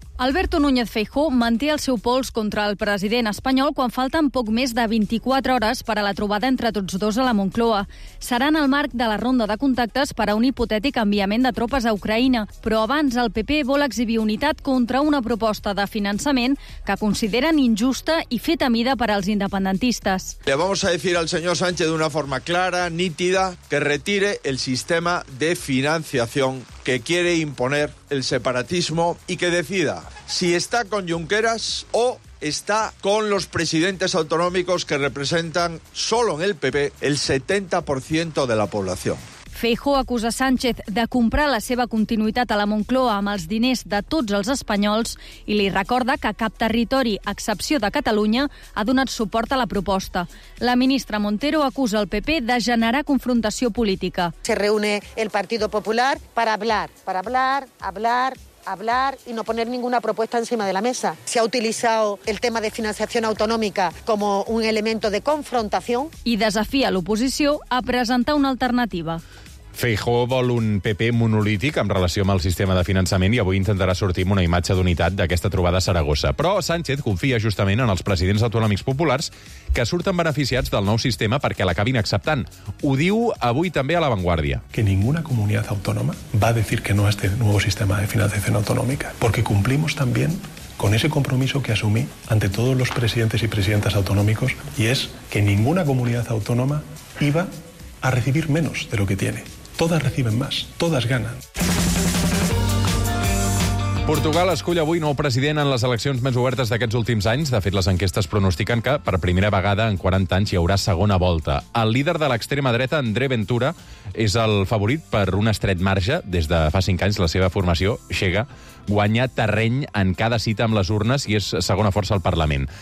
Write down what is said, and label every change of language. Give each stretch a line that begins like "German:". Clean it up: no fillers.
Catalan: Alberto Núñez Feijóo manté el seu pols contra el president espanyol quan falten poc més de 24 hores per a la trobada entre tots dos a la Moncloa. Serà en el marc de la ronda de contactes per a un hipotètic enviament de tropes a Ucraïna, però abans el PP vol exhibir unitat contra una proposta de finançament que consideren injusta i feta mida per als independentistes.
Spanish: Le vamos a decir al señor Sánchez de una forma clara, nítida, que retire el sistema de financiación que quiere imponer el separatismo y que decida si está con Junqueras o está con los presidentes autonómicos que representan solo en el PP el 70% de la población.
Catalan: Feijóo acusa Sánchez de comprar la seva continuïtat a la Moncloa amb els diners de tots els espanyols i li recorda que cap territori, a excepció de Catalunya, ha donat suport a la proposta. La ministra Montero acusa el PP de generar confrontació política.
Spanish: Se reúne el Partido Popular para hablar y no poner ninguna propuesta encima de la mesa. Se ha utilizado el tema de financiación autonómica como un elemento de confrontación.
Catalan: I desafia l'oposició a presentar una alternativa. Feijóo vol un PP monolític en relació amb el sistema de finançament i avui intentarà sortir amb una imatge d'unitat d'aquesta trobada a Saragossa. Però Sánchez confia justament en els presidents autonòmics populars que surten beneficiats del nou sistema perquè l'acabin acceptant. Ho diu avui també a La Vanguardia.
Spanish: Que ninguna comunidad autónoma va a decir que no a este nuevo sistema de financiación autonómica, porque cumplimos también con ese compromiso que asumí ante todos los presidentes y presidentas autonómicos, y es que ninguna comunidad autónoma iba a recibir menos de lo que tiene. Todas reciben más, todas ganan.
Catalan: Portugal escull avui nou president en les eleccions més obertes d'aquests últims anys. De fet, les enquestes pronostiquen que, per primera vegada en 40 anys, hi haurà segona volta. El líder de l'extrema dreta, André Ventura, és el favorit per un estret marge. Des de fa 5 anys, la seva formació, Chega, guanya terreny en cada cita amb les urnes i és segona força al Parlament.